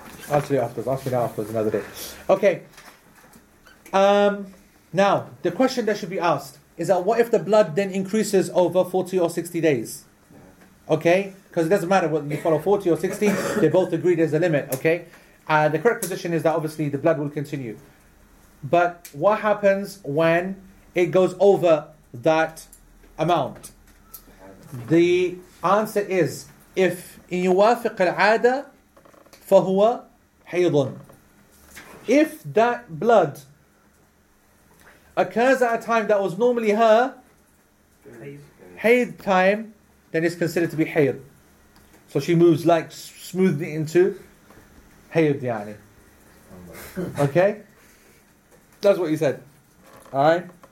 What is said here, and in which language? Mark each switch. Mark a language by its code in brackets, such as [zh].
[en] I'll tell you afterwards. Ask me now afterwards another day. Okay. Now, the question that should be asked is that what if the blood then increases over 40 or 60 days? Okay? Because it doesn't matter whether you follow 40 or 60, they both agree there's a limit, okay? And the correct position is that obviously the blood will continue. But what happens when it goes over that amount? The answer is, if in [ar] يوافق العادة فهو حيض. [en] If that blood occurs at a time that was normally her hayd time, then it's considered to be hayd. So she moves like smoothly into hayd yani. Okay? That's what you said. Alright?